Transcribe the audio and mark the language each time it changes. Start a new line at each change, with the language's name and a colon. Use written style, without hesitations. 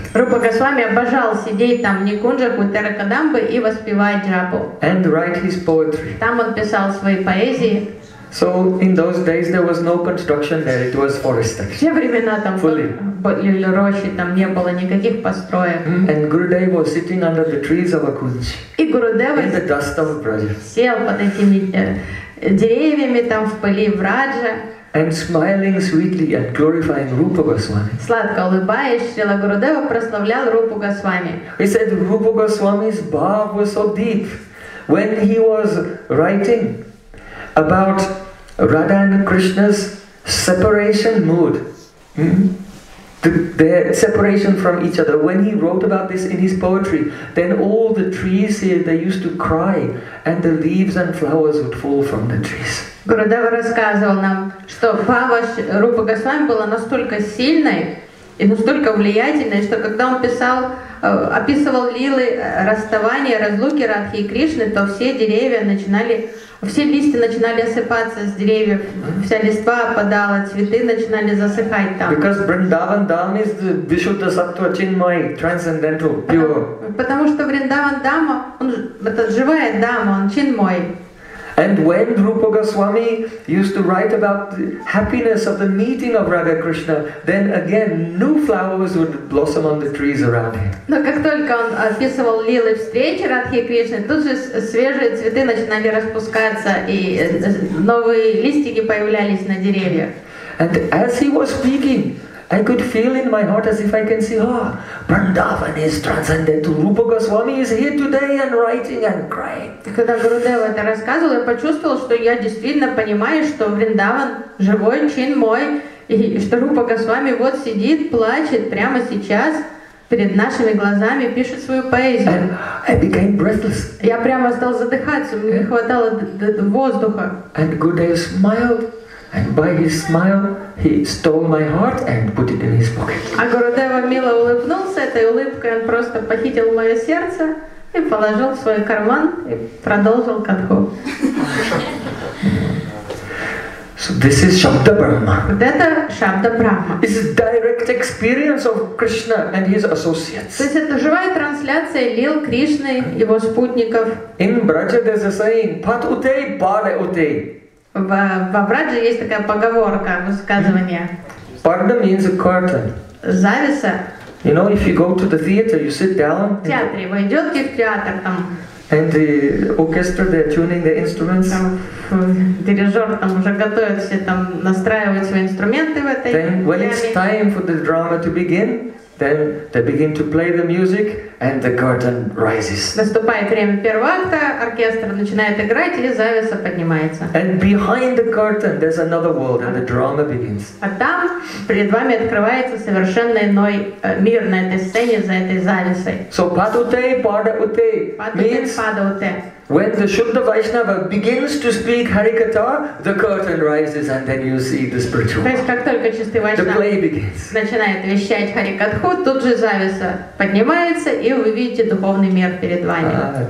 Russian: Рупа Госвами обожал сидеть там в Никунджах у Теракадамбы и воспевать джапу.
English: And write his poetry.
Russian: Там он писал свои поэзии.
English: So in those days there was no construction there, it was forest.
Russian: Все времена там были рощи, там не было никаких построек.
English: And Gurudev was sitting under the trees of Akunji.
Russian: И Гурудева
English: in the dust of Braja.
Russian: Сел под этими деревьями там в пыли Враджа.
English: And smiling sweetly and glorifying Rupa Goswami.
Russian: Сладко улыбаясь, Шрила Гурудева прославлял Рупу Госвами.
English: He said Rupa Goswami's bhav was so deep when he was writing about Radha and Krishna's separation mood. the separation from each other. When he wrote about this in his poetry, then all the trees here, they used to cry, and the leaves and flowers would fall from the trees.
Russian: Гурудева рассказывал нам, что Бхава Рупа Госвами была настолько сильной и настолько влиятельной, что когда он писал, описывал лилы расставания, разлуки Радхи и Кришны, то все деревья начинали, все листья начинали осыпаться с деревьев, вся листва опадала, цветы начинали засыхать там.
English: Because Vrindavan Dham is the Vishuddha Sattva Chinmay, transcendental, pure.
Russian: Потому что Vrindavan Dham, он это живая дама, он Chinmay.
English: And when Rupa Goswami used to write about the happiness of the meeting of Radha Krishna, then again new flowers would blossom on the trees around him.
Russian: Но как только он описывал лилы встречи Радхи и Кришны, тут же свежие цветы начинали распускаться и новые листики появлялись на деревьях.
English: And as he was speaking, I could feel in my heart as if I can see, oh, Vrindavan is transcendental. Rupa Goswami is here today and writing and crying.
Russian: Когда Гурудева это рассказывал, я почувствовал, что я действительно понимаю, что Вриндаван живой, чин мой, и что Рупа Госвами вот сидит, плачет прямо сейчас перед нашими глазами, пишет свою поэзию.
English: And I became breathless.
Russian: Я прямо стал задыхаться, мне не хватало воздуха.
English: And Gurudev smiled. And by his smile, he stole my heart and put it in his pocket.
Russian: А Гурудева мило улыбнулся этой улыбкой, он просто похитил мое сердце и положил в свой карман и продолжил катху.
English: So this is Shabda Brahma.
Russian: Вот это Шабда Брахма.
English: This is direct experience of Krishna and his associates.
Russian: То есть это живая трансляция лил Кришны, его спутников.
English: In Braja there's a saying, Pat Utei, Bale Utei.
Russian: Во Врадже есть такая поговорка, высказывание.
English: Parda means a curtain.
Russian: Завеса.
English: You know, if you go to the theater, you sit down.
Russian: В театре, вы идете в театр там.
English: And the orchestra, they're tuning their instruments.
Russian: Там, дирижер там уже готовит все там, настраивает свои инструменты в этой.
English: Then, when it's time for the drama to begin, then they begin to play the music and the curtain rises.
Russian: Наступает время первого акта, оркестр начинает играть, и завеса поднимается.
English: And behind the curtain there's another world and the drama begins.
Russian: А там перед вами открывается совершенно иной мир на этой сцене за этой завесой.
English: So Padutei Padautei means Padautei. When the Shuddha Vaishnava begins to speak Harikatha, the curtain rises and then you see the spiritual.
Russian: То есть как только чистый Вайшнав
English: the play begins.
Russian: Начинает вещать Харикатху, тут же завеса поднимается, и вы видите духовный мир перед вами.